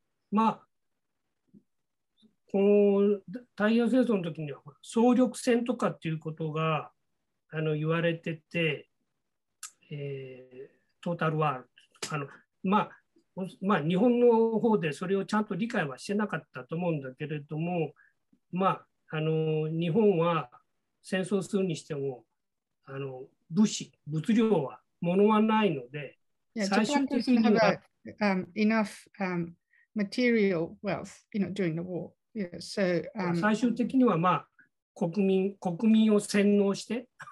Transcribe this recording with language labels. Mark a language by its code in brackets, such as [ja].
[ja] まあ、この太平洋戦争の時には総力戦とかっていうことが言われてて、トータルワールド、まあ、日本の方でそれをちゃんと理解はしてなかったと思うんだけれども、まあ、日本は戦争するにしても物資、物量は物はないので、最終的には [en] Japan doesn't have enough material wealth, you know, during the war. Yeah, so, [ja] 最終的には、まあ、国民を洗脳して、